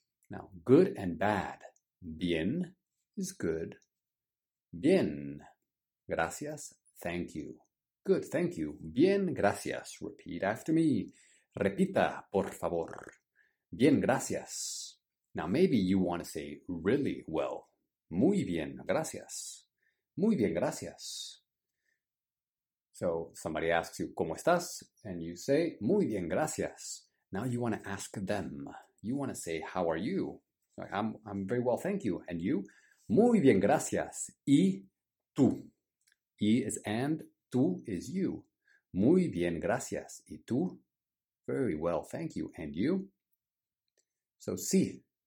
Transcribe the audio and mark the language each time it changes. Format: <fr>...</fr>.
<en>Now, good and bad. Bien is good.</en> <es>Bien. Gracias.</es> <en>Thank you. Good. Thank you. Bien. Gracias. Repeat after me.</en> <es>Repita, por favor. Bien. Gracias.</es> <en>Now, maybe you want to say really well.</en> <es>Muy bien. Gracias. Muy bien. Gracias.</es> <en>So, somebody asks you,</en> <es>¿cómo estás?</es> <en>And you say,</en> <es>muy bien. Gracias.</es> <en>Now, you want to ask them. You want to say, how are you? I'm very well, thank you. And you?</en> <es>Muy bien, gracias. ¿Y tú?</es> <en>¿Y is and, tú is you.</en> <es>Muy bien, gracias. ¿Y tú?</es> <en>Very well, thank you. And you? So, sí.</en>